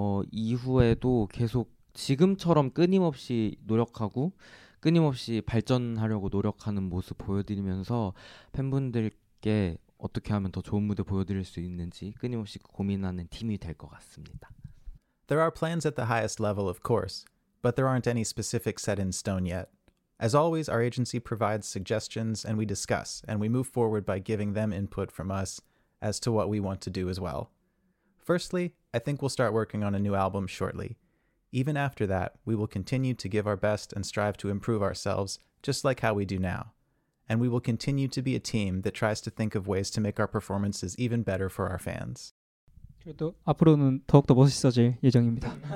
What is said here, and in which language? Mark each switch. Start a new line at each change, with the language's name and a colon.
Korean: 이후에도 계속 지금처럼 끊임없이 노력하고 끊임없이 발전하려고 노력하는 모습 보여드리면서 팬분들께 어떻게 하면 더 좋은 무대 보여드릴 수 있는지 끊임없이 고민하는 팀이 될 것 같습니다.
English: There are plans at the highest level, of course, but there aren't any specific set in stone yet. As always, our agency provides suggestions and we discuss, and we move forward by giving them input from us as to what we want to do as well. Firstly, I think we'll start working on a new album shortly. Even after that, we will continue to give our best and strive to improve ourselves, just like how we do now. And we will continue to be a team that tries to think of ways to make our performances even better for our fans.
Korean: 그래도 앞으로는 더욱더 멋있어질 예정입니다.